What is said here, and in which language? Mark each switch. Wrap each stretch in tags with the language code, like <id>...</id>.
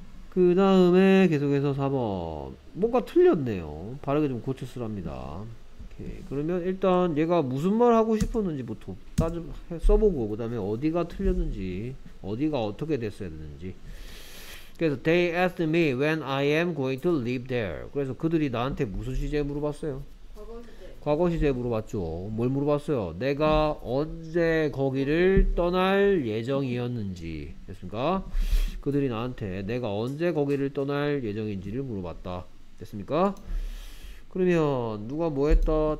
<ko>그 다음에 계속해서 4번 뭔가 틀렸네요. 바르게 좀 고쳤으랍니다. 오케이. 그러면 일단 얘가 무슨 말 하고 싶었는지부터 써보고 그 다음에 어디가 틀렸는지 어디가 어떻게 됐어야 되는지. 그래서</ko> <en>they asked me when I am going to live there.</en> <ko>그래서 그들이 나한테 무슨 시제에 물어봤어요? 과거 시제에 물어봤죠. 뭘 물어봤어요? 내가 언제 거기를 떠날 예정이었는지. 됐습니까? 그들이 나한테 내가 언제 거기를 떠날 예정인지를 물어봤다. 됐습니까? 그러면 누가 뭐 했다?</ko>